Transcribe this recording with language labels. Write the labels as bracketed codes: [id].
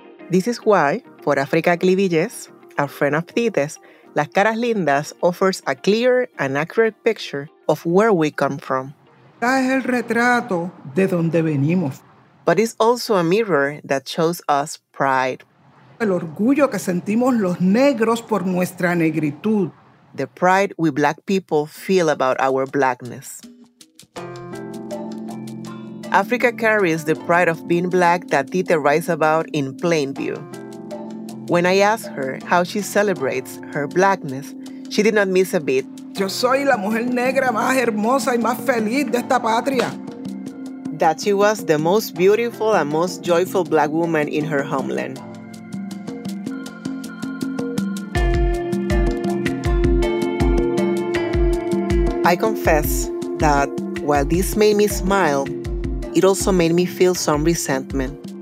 [en] This is why, for Africa Clivilles, a friend of Tite's, Las Caras Lindas offers a clear and accurate picture of where we come from. [es] Es el retrato de donde venimos. [en] But it's also a mirror that shows us pride. [es] El orgullo que sentimos los negros por nuestra negritud. [en] The pride we black people feel about our blackness. Africa carries the pride of being black that Tite writes about in plain view. When I asked her how she celebrates her blackness, she did not miss a beat. [es] Yo soy la mujer negra más hermosa y más feliz de esta patria. [en] That she was the most beautiful and most joyful black woman in her homeland. I confess that while this made me smile, it also made me feel some resentment.